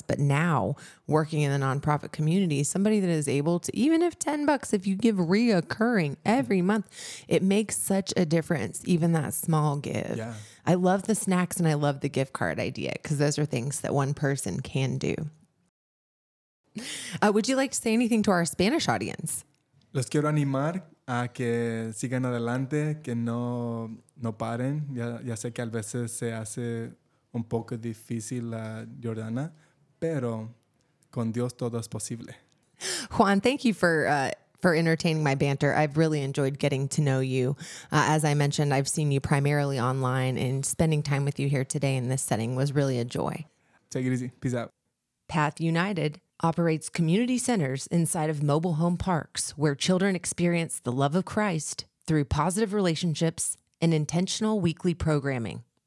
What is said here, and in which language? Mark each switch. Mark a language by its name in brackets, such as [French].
[English] But now working in the nonprofit community, somebody that is able to, even if 10 bucks, if you give reoccurring every month, it makes such a difference, even that small give. Yeah. I love the snacks and I love the gift card idea because those are things that one person can do. Would you like to say anything to our Spanish audience? [Spanish] los quiero animar a que sigan adelante, que no paren. Ya sé que a veces se hace un poco difícil la Jordana, pero con Dios todo es posible. [English] Juan, thank you for entertaining my banter. I've really enjoyed getting to know you. As I mentioned, I've seen you primarily online, and spending time with you here today in this setting was really a joy. Take it easy. Peace out. Path United operates community centers inside of mobile home parks where children experience the love of Christ through positive relationships and intentional weekly programming.